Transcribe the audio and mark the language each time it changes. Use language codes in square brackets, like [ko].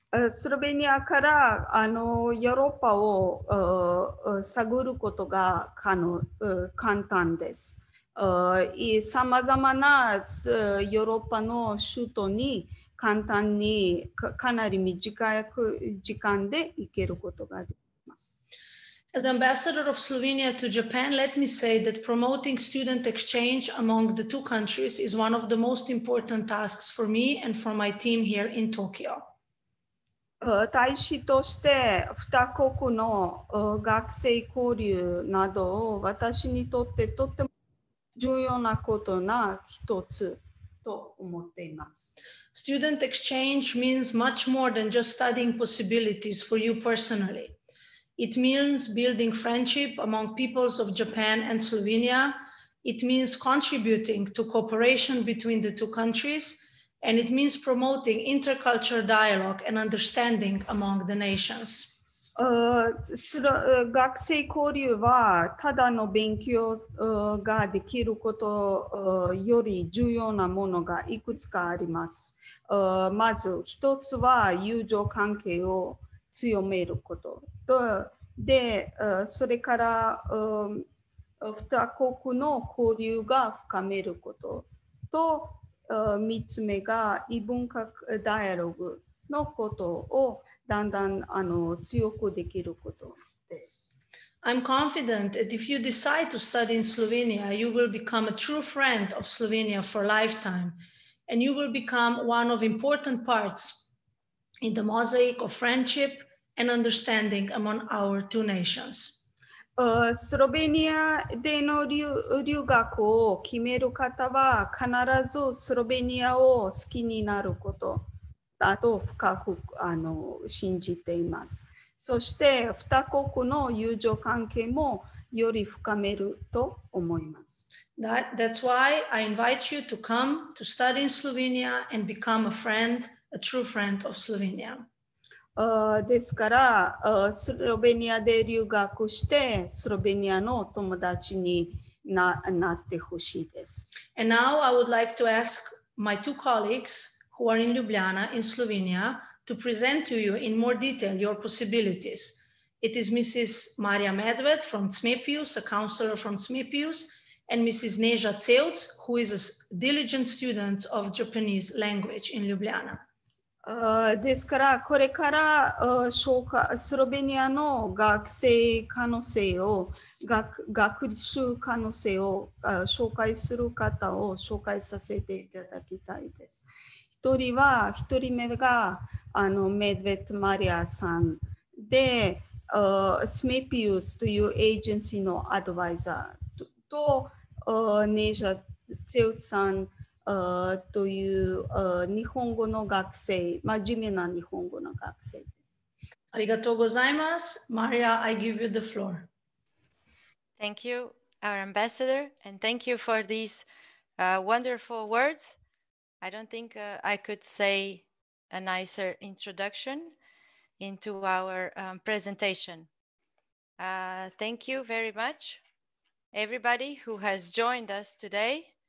[ja] スロベニアからヨーロッパを探ることが簡単です。さまざまなヨーロッパの首都に簡単に かなり短く時間で行けることができます。 [en] As ambassador of Slovenia to Japan, let me say that promoting student exchange among the two countries is one of the most important tasks for me and for my team here in Tokyo. [ja] 大使として二国の学生交流などを私にとってとっても重要なことな一つと思っています。 [en] Student exchange means much more than just studying possibilities for you personally. It means building friendship among peoples of Japan and Slovenia. It means contributing to cooperation between the two countries. And it means promoting intercultural dialogue and understanding among the nations. [ja] 学生交流はただの勉強ができることより重要なものがいくつかあります。まず一つは友情関係を強めることとで、それから二国の交流が深めることと、三つ目が異文化ダイアログのことをだんだん強くできることです。 [en] I'm confident that if you decide to study in Slovenia, you will become a true friend of Slovenia for a lifetime, and you will become one of important parts in the mosaic of friendship. And understanding among our two nations. [ja] スロベニアでの留学を決める方は必ずスロベニアを好きになることだと深く信じています。そして二国の友情関係もより深めると思います。 [en] That's why I invite you to come to study in Slovenia and become a friend, a true friend of Slovenia. [ja] ですから、スロベニアで留学して、スロベニアの友達に なってほしいです。 [en] And now I would like to ask my two colleagues who are in Ljubljana in Slovenia to present to you in more detail your possibilities. It is Mrs. Marija Medved from CMEPIUS, a counselor from CMEPIUS, and Mrs. Neža Cevc, who is a diligent student of Japanese language in Ljubljana. [ja] ですからこれから紹介スロベニアの学生可能性を 学習可能性を紹介する方を紹介させていただきたいです。一人目がメドベット・マリアさんで、スメピウスというエージェンシーのアドバイザーとネージャー・ツェウツさんという日本語の学生、真面目な日本語の学生です。ありがとうございます。 [en] マリア、I give you the floor. Thank you, our ambassador, and thank you for these wonderful words. I don't think I could say a nicer introduction into our presentation. Thank you very much, everybody who has joined us today.